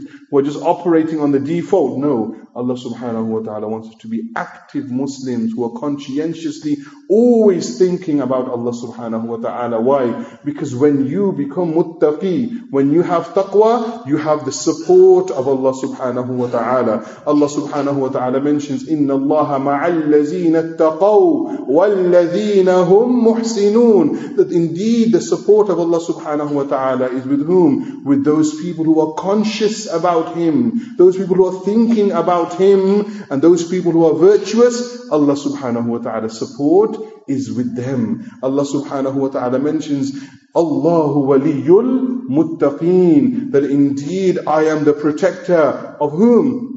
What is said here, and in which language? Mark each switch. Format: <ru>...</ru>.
<en>We're just operating on the default. No, Allah subhanahu wa ta'ala wants us to be active Muslims who are conscientiously always thinking about Allah subhanahu wa ta'ala. Why? Because when you become muttaqi, when you have taqwa, you have the support of Allah subhanahu wa ta'ala.</en> <ar>Allah subhanahu wa ta'ala mentions, إِنَّ اللَّهَ مَعَ الَّذِينَ اتَّقَوْا وَالَّذِينَ هُمْ مُحْسِنُونَ.</ar> <en>That indeed the support of Allah subhanahu wa ta'ala is with whom? With those people who are conscious about Him, those people who are thinking about Him, and those people who are virtuous. Allah subhanahu wa ta'ala support is with them. Allah subhanahu wa ta'ala mentions,</en> <ar>Allahu waliyul muttaqeen,</ar> <en>that indeed I am the protector of whom?</en>